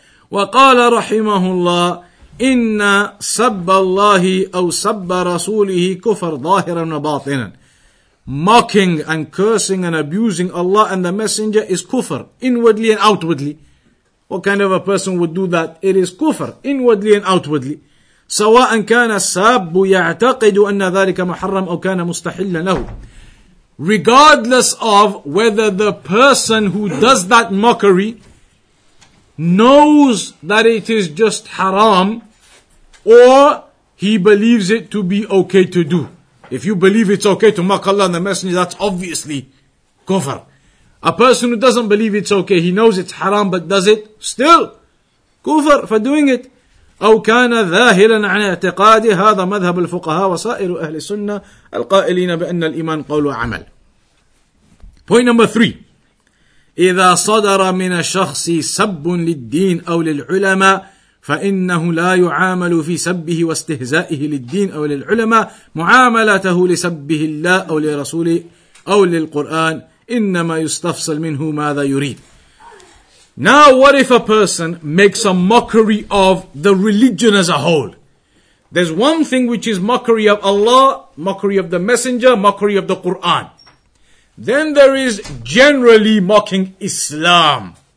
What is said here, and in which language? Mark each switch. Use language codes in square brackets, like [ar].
[ar] وَقَالَ رَحِمَهُ اللَّهِ إِنَّ سَبَّ اللَّهِ أَوْ سَبَّ رَسُولِهِ كُفَرْ ظَاهِرًا وَبَاطِنًا. [en] Mocking and cursing and abusing Allah and the Messenger is kufr, inwardly and outwardly. What kind of a person would do that? It is kufr, inwardly and outwardly. [ar] سواء كان الساب يعتقد أن ذلك محرم أو كان مستحلا له. [en] Regardless of whether the person who does that mockery knows that it is just haram or he believes it to be okay to do. If you believe it's okay to mock Allah and the Messenger, that's obviously kufr. A person who doesn't believe it's okay, he knows it's haram but does it, still kufr for doing it. [ar] أو كان ذاهلا عن اعتقاد هذا مذهب الفقهاء وسائر أهل السنة القائلين بأن الإيمان قول وعمل. [en] Point number three. [ar] إذا صدر من الشخص سب للدين أو للعلماء فإنه لا يعامل في سبه واستهزائه للدين أو للعلماء معاملته لسبه الله أو لرسوله أو للقرآن إنما يستفصل منه ماذا يريد. [en] Now what if a person makes a mockery of the religion as a whole? There's one thing which is mockery of Allah, mockery of the Messenger, mockery of the Quran. Then there is generally mocking Islam.